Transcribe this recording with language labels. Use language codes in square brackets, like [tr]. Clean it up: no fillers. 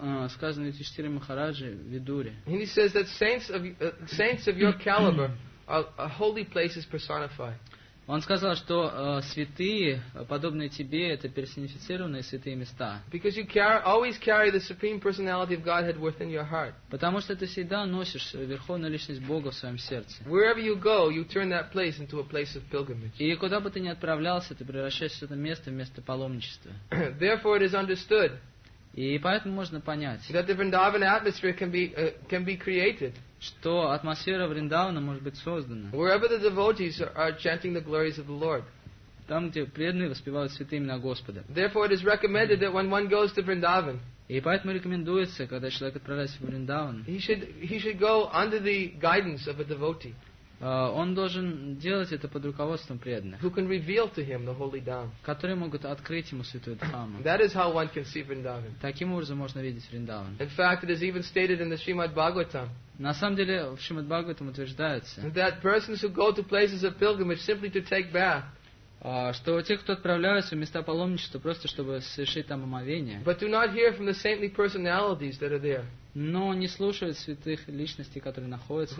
[ru] Сказано Yudhishthira Maharaj Vidure. [en] And he says that saints of your caliber are holy places personified. [ru] Он сказал, что святые подобные тебе это персонифицированные святые места. [en] Because you always carry the supreme personality of Godhead within your heart. [ru] Потому что ты всегда носишь верховную личность Бога в своем сердце. [en] Wherever you go, you turn that place into a place of pilgrimage. [ru] И куда бы ты ни отправлялся, ты превращаешь это место в место паломничества. [en] Therefore, it is understood. [ru] И поэтому можно понять, [en] that the Vrindavan atmosphere can be created. [ru] Что атмосфера Вриндавана может быть создана. [en] Wherever the devotees are chanting the glories of the Lord. [ru] Там, где преданные воспевают святые имена Господа. [en] Therefore, it is recommended that when one goes to Vrindavan, [ru] и поэтому рекомендуется, когда человек отправляется в Вриндаван, [en] he should go under the guidance of a devotee. [ru] Он должен делать это под руководством преданных, [en] who can reveal to him the holy Dham, [ru] которые могут открыть ему святую Дхаму. [en] That is how one can see Vrindavan. [ru] Таким образом можно видеть Вриндаван. [en] In fact, it is even stated in the Srimad Bhagavatam. [ru] На самом деле в Шримад Бхагаватам утверждается, [en] that persons who go to places of pilgrimage simply to take bath, [ru] что те, кто отправляются в места паломничества просто чтобы совершить там омовение, [en] but do not hear from the saintly personalities that are there, [ru] но не слушают святых личностей, которые находятся